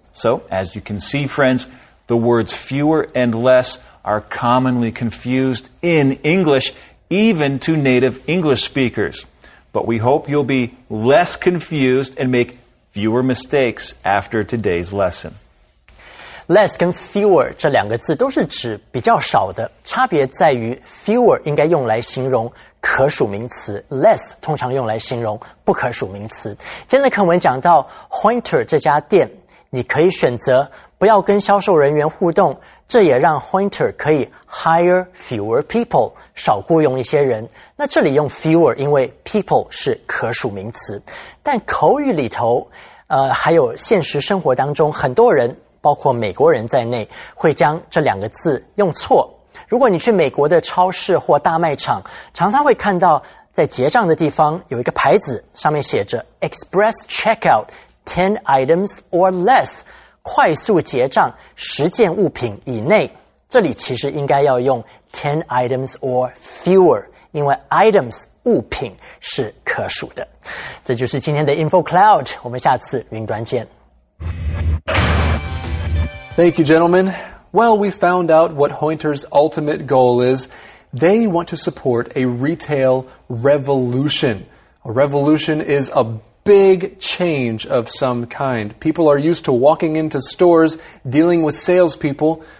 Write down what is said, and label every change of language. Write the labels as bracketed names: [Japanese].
[English] So, as you can see, friends, the words fewer and less are commonly confused in English, even to native English speakers. But we hope you'll be less confused and make fewer mistakes after today's lesson. [Chinese] Less 跟 fewer 这两个字都是指比较少的，差别在于 fewer 应该用来形容可数名词， less 通常用来形容不可数名词。今天的课文讲到 Hunter 这家店，你可以选择不要跟销售人员互动，这也让 Hunter 可以 [English] hire fewer people， [Chinese] 少雇佣一些人。那这里用 fewer， 因为 people 是可数名词，但口语里头，还有现实生活当中，很多人，包括美国人在内，会将这两个字用错。如果你去美国的超市或大卖场，常常会看到在结账的地方有一个牌子，上面写着 [English] Express Checkout 10 items or less， [Chinese] 快速结账十件物品以内。这里其实应该要用 [English] 10 items or fewer， [Chinese] 因为 items 物品是可数的。这就是今天的 Info Cloud， 我们下次云端见。 [English] Thank you, gentlemen. Well, we found out what Hunter's ultimate goal is. They want to support a retail revolution. A revolution is a big change of some kind. People are used to walking into stores, dealing with salespeople.